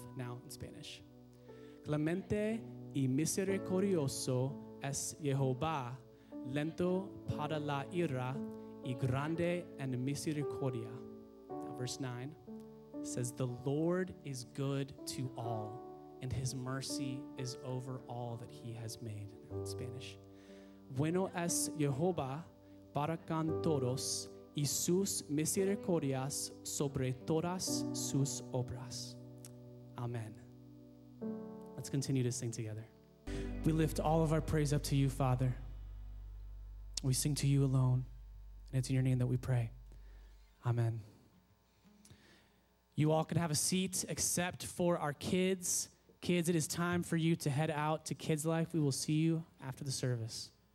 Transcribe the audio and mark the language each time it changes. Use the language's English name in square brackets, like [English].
[English] Now in Spanish. [Spanish] "Clemente y misericordioso es Jehová, lento para la ira y grande en misericordia." [English] Now verse 9 says, "The Lord is good to all, and his mercy is over all that he has made." In Spanish. [Spanish] "Bueno es Jehová para con todos, y sus misericordias sobre todas sus obras." [English] Amen. Let's continue to sing together. We lift all of our praise up to you, Father. We sing to you alone, and it's in your name that we pray. Amen. You all can have a seat, except for our kids. Kids, it is time for you to head out to Kids Life. We will see you after the service.